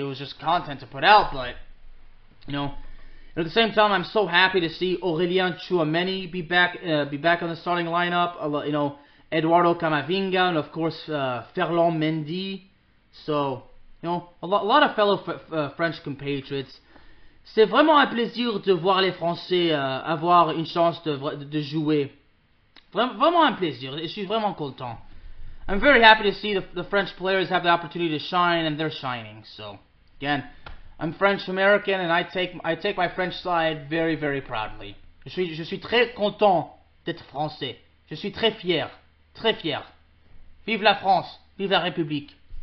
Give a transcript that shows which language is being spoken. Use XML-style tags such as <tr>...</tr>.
<en>It was just content to put out, but, you know. And at the same time, I'm so happy to see Aurélien Tchouaméni be back on the starting lineup. You know, Eduardo Camavinga, and of course, Ferland Mendy. So, you know, a lot of fellow French compatriots.</en> <fr>C'est vraiment un plaisir de voir les Français avoir une chance de jouer. Vraiment un plaisir. Je suis vraiment content.</fr> <en>I'm very happy to see the French players have the opportunity to shine, and they're shining. So, again, I'm French-American, and I take my French side very, very proudly.</en> <fr>Je suis très content d'être français. Je suis très fier. Très fier. Vive la France. Vive la République.</fr>